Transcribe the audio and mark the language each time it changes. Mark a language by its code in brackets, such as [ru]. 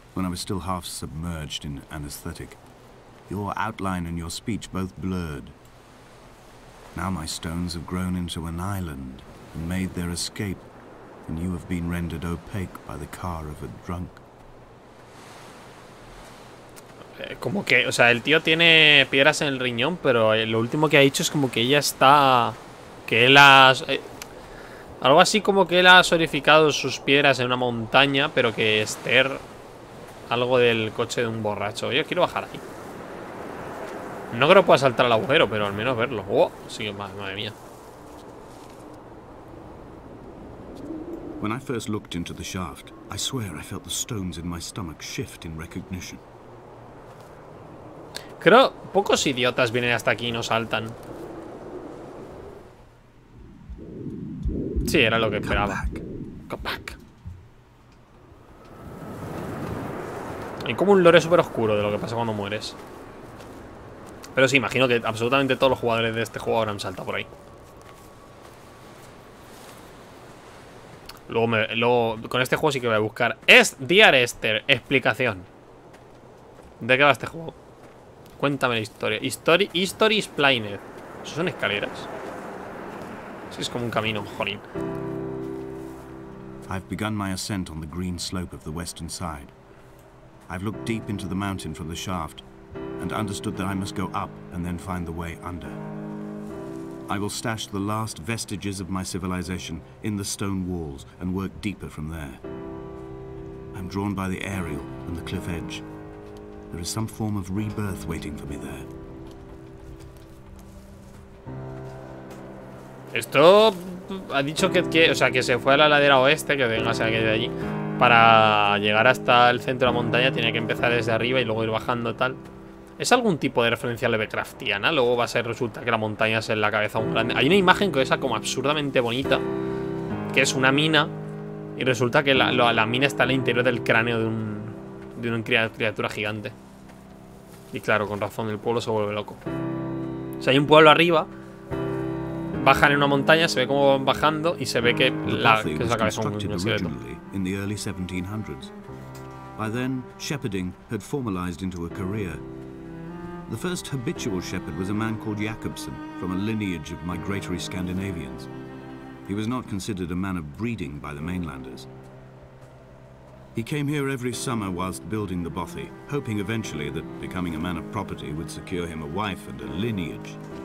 [en] When I was still half submerged in anesthetic, your outline and your speech both blurred. Now my stones have grown into an island and made their escape, and you have been rendered opaque by the car of a drunk. [es] Como que, o sea, el tío tiene piedras en el riñón, pero lo último que ha dicho es como que ella está, que él ha, algo así como que él ha sorificado sus piedras en una montaña, pero que Esther, algo del coche de un borracho. Yo quiero bajar ahí. No creo que pueda saltar al agujero, pero al menos verlo. ¡Oh! Sí, madre mía. [en] When I first looked into the shaft, I swear I felt the stones in my stomach shift in recognition. [es] Creo pocos idiotas vienen hasta aquí y no saltan. Sí, era lo que esperaba. [en] Come back. [es] Hay como un lore súper oscuro de lo que pasa cuando mueres. Pero sí, imagino que absolutamente todos los jugadores de este juego ahora han saltado por ahí. Luego con este juego sí que voy a buscar. Es Dear Esther, explicación. ¿De qué va este juego? Cuéntame la historia. History Splined. ¿Eso son escaleras? Sí, es como un camino, jolín. [en] I've begun my ascent on the green slope of the western side. I've looked deep into the mountain from the shaft and understood that I must go up and then find the way under. I will stash the last vestiges of my civilization in the stone walls and work deeper from there. I'm drawn by the aerial and the cliff edge. There is some form of rebirth waiting for me there. [es] Esto ha dicho que o sea, que se fue a la ladera oeste, que venga, o sea, que de allí. Para llegar hasta el centro de la montaña tiene que empezar desde arriba y luego ir bajando tal. ¿Es algún tipo de referencia Lovecraftiana? Luego va a ser, resulta que la montaña es en la cabeza un grande. Hay una imagen que es como absurdamente bonita, que es una mina, y resulta que la mina está en el interior del cráneo de una criatura gigante. Y claro, con razón, el pueblo se vuelve loco. O sea, hay un pueblo arriba, bajan en una montaña, se ve como van bajando y se ve que es la cabeza de un esqueleto. [en] In the early 1700s. By then, shepherding had formalized into a career. The first habitual shepherd was a man called Jacobson, from a lineage of migratory Scandinavians. He was not considered a man of breeding by the mainlanders. He came here every summer whilst building the Bothy, hoping eventually that becoming a man of property would secure him a wife and a lineage.